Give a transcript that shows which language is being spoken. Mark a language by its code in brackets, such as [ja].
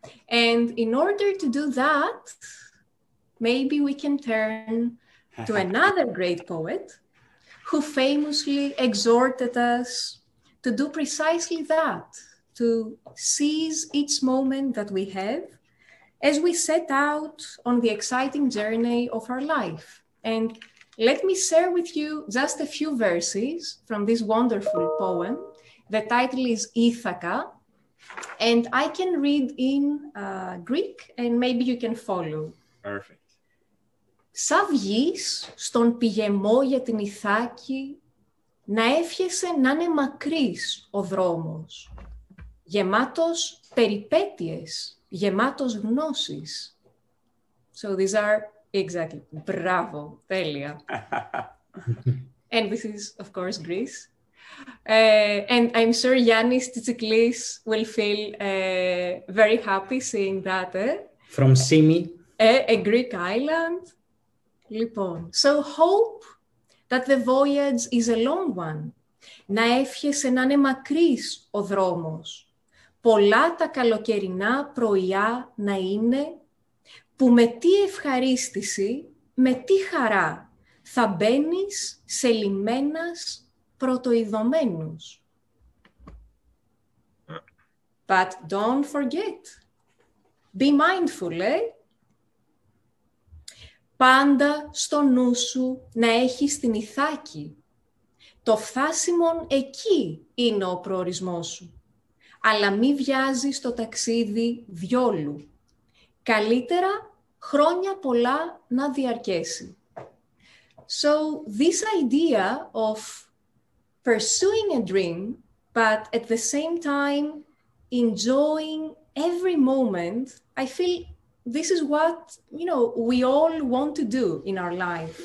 [en] And in order to do that, maybe we can turn to another great poet who famously exhorted us to do precisely that, to seize each moment that we have as we set out on the exciting journey of our life. And let me share with you just a few verses from this wonderful poem. The title is Ithaca, and I can read in Greek, and maybe you can follow. Perfect. [el] Σα βγεις στον πηγεμό για την Ιθάκη, να εύχεσαι να είναι μακρύς ο δρόμος, γεμάτος περιπέτειες, γεμάτος γνώσεις. [en] So these are exactly, bravo, τέλεια. And this is, of course, Greece. And I'm sure Yannis Tsitsikalis will feel very happy seeing that. Eh? From Simi. A Greek island. Λοιπόν, so hope that the voyage is a long one. [el] Να εύχεσαι να είναι μακρύς ο δρόμος. Πολλά τα καλοκαιρινά πρωιά να είναι που με τι ευχαρίστηση, με τι χαρά θα μπαίνεις σε λιμένας πρωτοειδωμένους. [en] But don't forget. Be mindful, eh? [el] Πάντα στο νου σου να έχεις την Ιθάκη. Το φθάσιμον εκεί είναι ο προορισμός σου. Αλλά μη βιάζεις το ταξίδι διόλου. Καλύτερα χρόνια πολλά να διαρκέσει. [en] So this idea of pursuing a dream, but at the same time enjoying every moment, I feel this is what, you know, we all want to do in our life.